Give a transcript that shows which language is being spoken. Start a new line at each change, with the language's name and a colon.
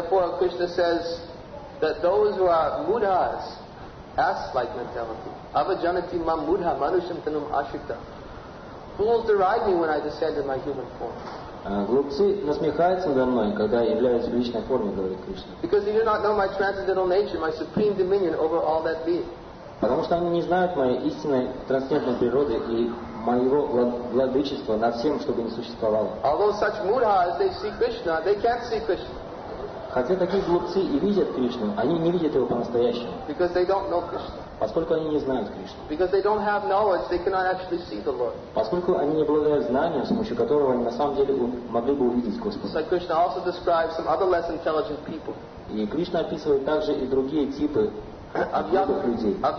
English: Therefore Krishna says that those who are mudhas, ass-like mentality,
Sanskrit: avajanati mam mudha manushyam tanum ashrita,
English: fools deride me when I descend in my human form.
Russian: Глупцы насмехаются надо мной, когда я являюсь в личной форме, говорит Кришна.
English: Because they do not know my transcendental nature, my supreme dominion over all that being.
Russian: Потому что они не знают моей истинной трансцендентной природы и моего владычества над всем, что бы ни существовало.
English: Although such mudhas, they see Krishna, they can't see Krishna.
Russian: Хотя такие глупцы и видят Кришну, они не видят его по-настоящему.
English: Because they don't know Krishna.
Russian: Поскольку они не знают Кришну.
English: Because they don't have knowledge, they cannot actually see the Lord.
Russian: Поскольку они не обладают знанием, с помощью которого они на самом деле могли бы увидеть Господа.
English: So Krishna also describes some other less intelligent people.
Russian: И Кришна описывает также и другие типы людей.